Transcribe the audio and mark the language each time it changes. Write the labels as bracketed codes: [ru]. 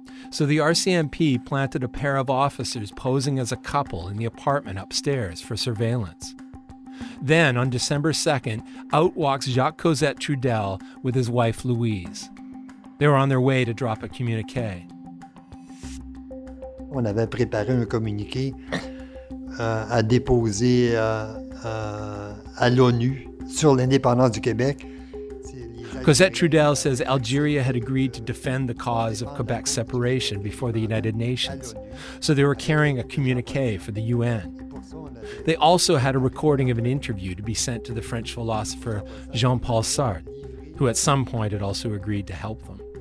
[en] So the RCMP planted a pair of officers posing as a couple in the apartment upstairs for surveillance. Then, on December 2nd, out walks Jacques Cosette Trudel with his wife Louise. They were on their way to drop a communiqué. [fr] On avait préparé un communiqué à déposer à l'ONU sur l'indépendance du Québec. [en] Cosette Trudel says Algeria had agreed to defend the cause of Quebec's separation before the United Nations, so they were carrying a communique for the UN. They also had a recording of an interview to be sent to the French philosopher Jean-Paul Sartre, who at some point had also agreed to help them.